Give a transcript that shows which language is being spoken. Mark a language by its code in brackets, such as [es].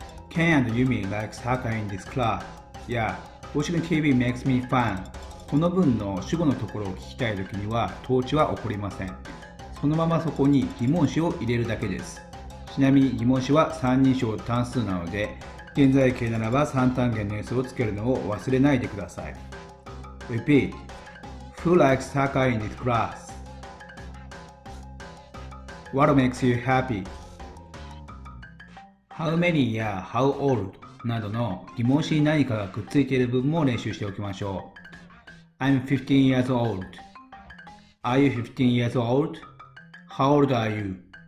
[en] Ken and Yumi like soccer in this club. Yeah, watching TV makes me fun. [ja] この文の主語のところを聞きたいときには、統置は起こりません。そのままそこに疑問詞を入れるだけです。ちなみに疑問詞は3人称単数なので、現在形ならば3単元の S をつけるのを忘れないでください。 [en] Repeat. Who likes soccer in this class? What makes you happy? How many や How old? [ja] などの疑問詞に何かがくっついている部分も練習しておきましょう。 [en] I'm 15 years old. Are you 15 years old? How old are you?